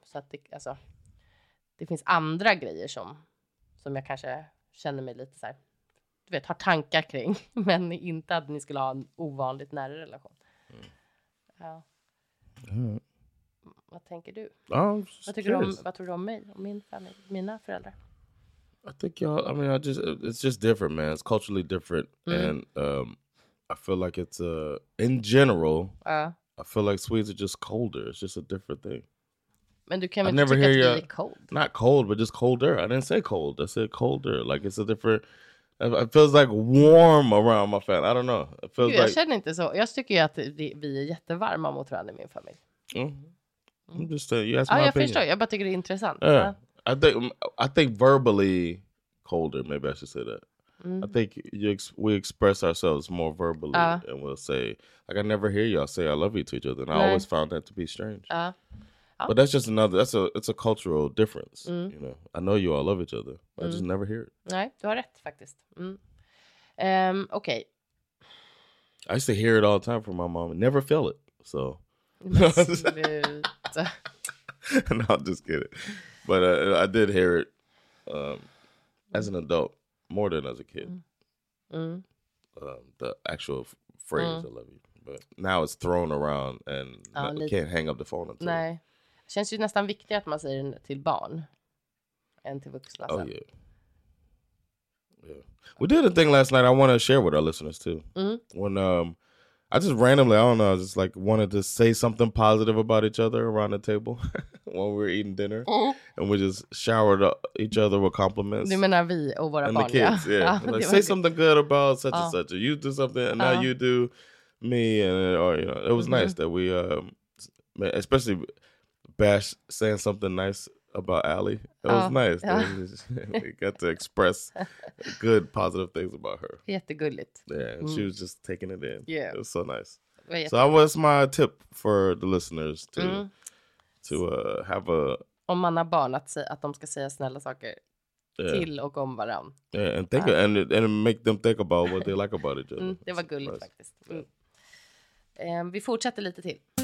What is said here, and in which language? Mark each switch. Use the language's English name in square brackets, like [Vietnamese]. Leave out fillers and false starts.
[Swedish] Så att det, alltså, det finns andra grejer som jag kanske känner mig lite så här, du vet, har tankar kring. Men inte att ni skulle ha en ovanligt nära relation. Mm. Ja. Mm. Vad tänker du? Vad tycker du om, vad tror du om mig och min familj, mina föräldrar? [English] I think y'all, I mean, I just, it's just different, man. It's culturally different. Mm. And I feel like it's in general, I feel like Swedes are just colder. It's just a different thing. [Swedish] Men du kan väl tycka att det är cold? [English] Not cold, but just colder. I didn't say cold. I said colder. Like, it's a different... It feels like warm around my family. I don't know. It feels [Swedish] Gud, jag känner inte så. Jag tycker ju att vi är jättevarma mot varandra i min familj. [English] Mm. I'm just saying, you asked my [Swedish] jag [English] opinion. [Swedish] Förstår. Jag bara tycker det är intressant. [English] Yeah. I think verbally colder, maybe I should say that. Mm. I think we express ourselves more verbally and we'll say, like, I never hear y'all say I love you to each other. And I always found that to be strange. But that's just it's a cultural difference. Mm. You know, I know you all love each other. But I just never hear it. [Swedish] Nej, du har rätt faktiskt. Mm. Okej. [English] Okay. I used to hear it all the time from my mom. Never feel it, so. No, I'm just kidding. But I did hear it as an adult, more than as a kid. The actual phrase, I love you. But now it's thrown around and can't hang up the phone until. [Swedish] Nej. Det känns ju nästan viktigare att man säger den till barn än till vuxna. [English] Oh, yeah. Yeah. We did a thing last night I want to share with our listeners too. Mm. When I just randomly, I don't know, I just like wanted to say something positive about each other around the table when we were eating dinner. Mm. And we just showered each other with compliments. [Swedish] Du menar vi och våra [English] and [Swedish] barn, [English] the kids, yeah. Like, say something good about such and such. You do something and now you do me. It was nice that we, especially Bash saying something nice about Allie. It was nice. We got to express good, positive things about her. [Swedish] Jättegulligt. [English] Yeah, and she was just taking it in. Yeah. It was so nice. So that was my tip for the listeners to have a... [Swedish] Om man har barn att de ska säga snälla saker till och om varann. [English] Yeah, and think and make them think about what they like about each other. [Swedish] Mm, det var gulligt faktiskt. Yeah. Vi fortsätter lite till.